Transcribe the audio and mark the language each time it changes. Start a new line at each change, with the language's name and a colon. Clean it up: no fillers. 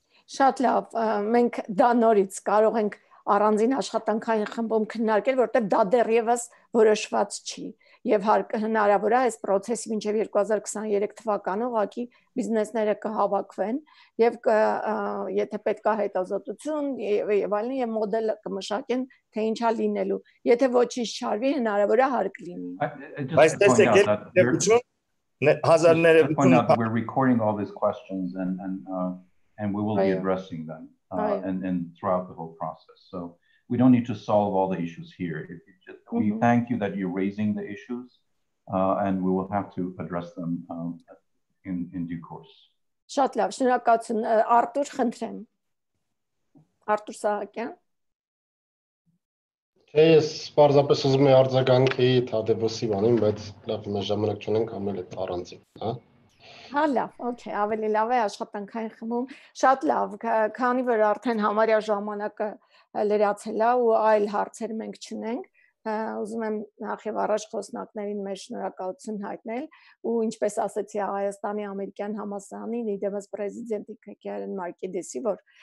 Armenian: Շատ լավ, մենք դա նորից կարող ենք առանձին աշխատանքային խմբում քննարկել, որովհետև դա դեռևս որոշված չի եւ հնարավոր է այս պրոցեսը մինչեւ 2023 թվականը ուղղակի բիզնեսները կհավաքվեն եւ եթե պետք է հետազոտություն եւ այլն եւ մոդելը կմշակեն, թե ինչա լինելու, եթե ոչինչ չարվի, հնարավոր է հարկ լինի։ Բայց տեսեք, երկրություն հազարներ է
English: ուտում, we're recording all these questions and we will be addressing them and throughout the whole process, so we don't need to solve all the issues here. We thank you that you're raising the issues and we will have to address them in due course.
Armenian: Շատ լավ, շնորհակալություն, Արտուր, խնդրեմ։ Արտուր Սահակյան։ Թե ես պարզապես ուզում եի արձագանքի Թադևոսի բանին, բայց լավ, մեր ժամանակ չունենք համել այդ առանձին, հա։ Հա լավ, օքեյ, ավելի լավ է աշխատանքային խմում։ Շատ լավ, քանի որ արդեն համարյա ժամանակը լրացել է ու այլ հարցեր մենք չունենք, ուզում եմ նախ եւ առաջ խոսնակներին մեր շնորհակալություն հայտնել ու ինչպես ասացի Հայաստանի ամերիկյան համալսարանի իդեմս պրեզիդենտի Քեյարեն Մարկեդեսի, որ